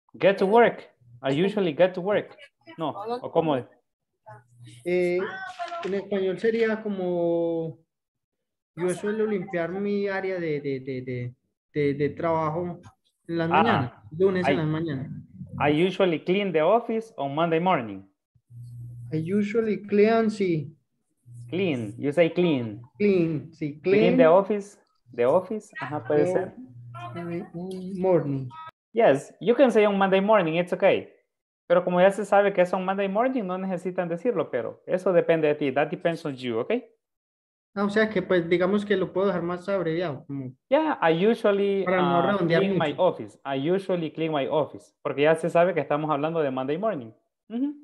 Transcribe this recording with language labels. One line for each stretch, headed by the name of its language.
English: Get to work. I usually get to work.
Spanish: No, o cómo es. En español sería como yo suelo limpiar mi área de trabajo en las mañanas, lunes en las mañanas.
English: I usually clean the office on Monday morning. I usually clean, sí. Clean, you say clean. Clean, sí, clean. Clean the office, ajá,
Spanish: puede ser.
English: Morning. Yes, you can say on Monday morning, it's okay.
Spanish: Pero como ya se sabe que es on Monday morning, no necesitan decirlo, pero eso depende de ti.
English: That depends on you, ¿ok?
Spanish: Ah, o sea que pues digamos que lo puedo dejar más abreviado.
English: Yeah, I usually clean my office. I usually clean my office.
Spanish: Porque ya se sabe que estamos hablando de Monday morning. Mm-hmm.